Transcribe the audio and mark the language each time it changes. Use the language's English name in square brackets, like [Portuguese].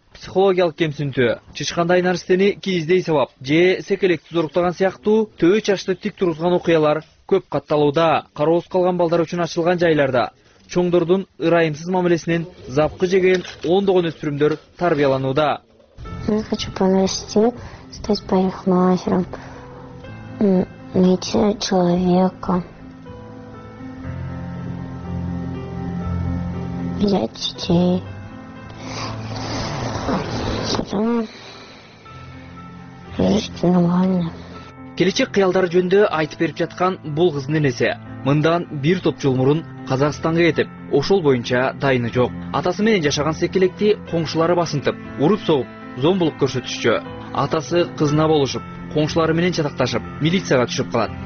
[Kyrgyz] Психологиялык кемсинтүү, чычкандай нерсени кийиздей сабап же секелекти зоруктаган сыяктуу төбө чачты тик тургузган окуялар көп катталууда. Кароосуз калган балдар үчүн ачылган жайларда чоңдордун ырайымсыз мамилесинен запкы жеген ондогон өспүрүмдөр тарбияланууда. [Russian] Я хочу повести стать парикмахером, найти человека, взять детей, потом жить нормально. [Kyrgyz] Келечек кыялдары жөнүндө айтып берип жаткан бул кыздын энеси мындан бир топ жыл мурун Казакстанга кетип, ошол боюнча дайыны жок. Атасы менен жашаган секелекти коңшулары басынтып, уруп согуп, зомбулук көрсөтүшчү. Атасы кызына болушуп, коңшулары менен чатакташып, милицияга түшүп калат.